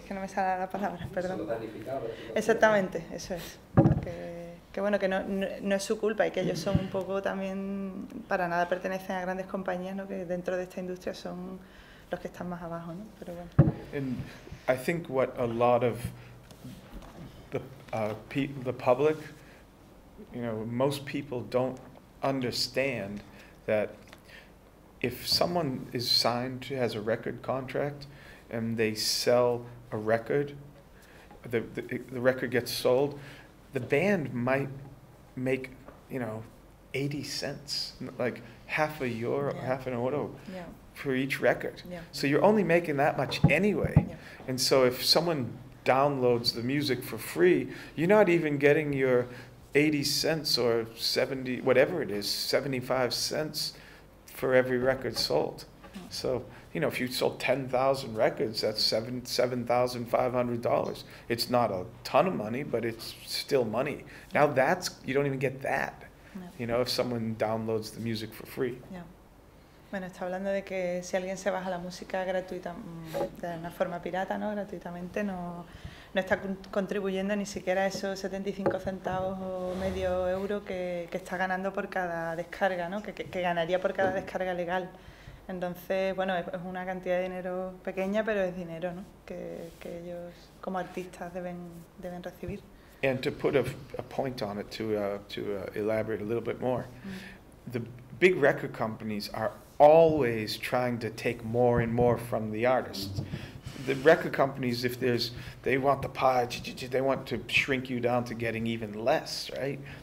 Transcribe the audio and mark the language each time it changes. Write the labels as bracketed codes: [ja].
[es] Que no me sale la palabra, perdón. Exactamente, eso es. Que bueno, que no es su culpa y que ellos son un poco también, para nada pertenecen a grandes compañías, ¿no? Que dentro de esta industria son los que están más abajo, ¿no? Pero bueno. [en] And I think what a lot of the public, you know, most people don't understand that if someone is signed, has a record contract, and they sell a record, the record gets sold, the band might make, you know, 80 cents, like half a euro, yeah. Half an euro, yeah. For each record. Yeah. So you're only making that much anyway. Yeah. And so if someone downloads the music for free, you're not even getting your 80 cents or 70, whatever it is, 75 cents, for every record sold. So, you know, if you sold 10,000 records, that's $7,500. It's not a ton of money, but it's still money. Now that's, you don't even get that, no. You know, if someone downloads the music for free. Yeah. [es] Bueno, está hablando de que si alguien se baja la música gratuita, de una forma pirata, ¿no? Gratuitamente, no está contribuyendo ni siquiera esos 75 centavos o medio euro que está ganando por cada descarga, ¿no? Que ganaría por cada descarga legal. Entonces, bueno, es una cantidad de dinero pequeña, pero es dinero, ¿no? Que ellos como artistas deben recibir. [en] And to put a point on it, to elaborate a little bit more, the big record companies are always trying to take more and more from the artists. The record companies, if there's, they want the pie, they want to shrink you down to getting even less, right?